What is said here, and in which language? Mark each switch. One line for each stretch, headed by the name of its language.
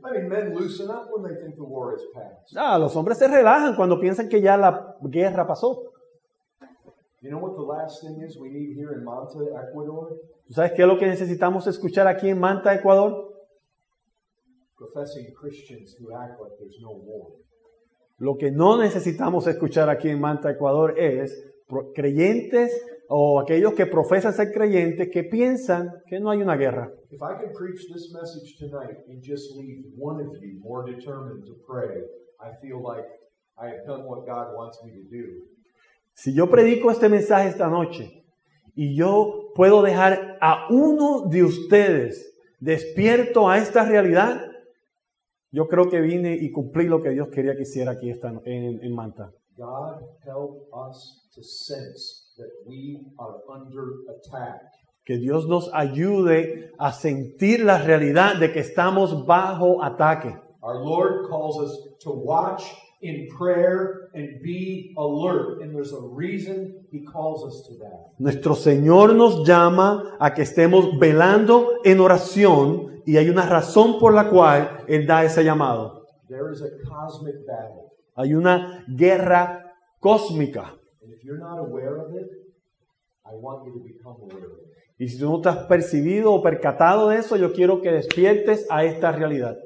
English: I mean, men loosen up when they think the war has passed.
Spanish: Ah, los hombres se relajan cuando piensan que ya la guerra pasó.
English: You know what the last thing is we need here in Manta, Ecuador?
Spanish: ¿Tú sabes qué es lo que necesitamos escuchar aquí en Manta, Ecuador?
English: Professing Christians who act like there's no war.
Spanish: Lo que no necesitamos escuchar aquí en Manta, Ecuador es creyentes o aquellos que profesan ser creyentes que piensan que no hay una guerra.
English: If I could preach this message tonight and just leave one of you more determined to pray, I feel like I have done what God wants me to do.
Spanish: Si yo predico este mensaje esta noche y yo puedo dejar a uno de ustedes despierto a esta realidad, yo creo que vine y cumplí lo que Dios quería que hiciera aquí esta, en Manta.
English: God help us to sense that we are under attack.
Spanish: Que Dios nos ayude a sentir la realidad de que estamos bajo ataque.
English: Our Lord calls us to watch in prayer and be alert, and there's a reason he calls us to that.
Spanish: Nuestro Señor nos llama a que estemos velando en oración y hay una razón por la cual él da ese llamado.
English: There is a cosmic battle.
Spanish: Hay una guerra cósmica.
English: And if you're not aware of it, I want you to become aware of it.
Spanish: Y si tú no te has percibido o percatado de eso, yo quiero que despiertes a esta realidad.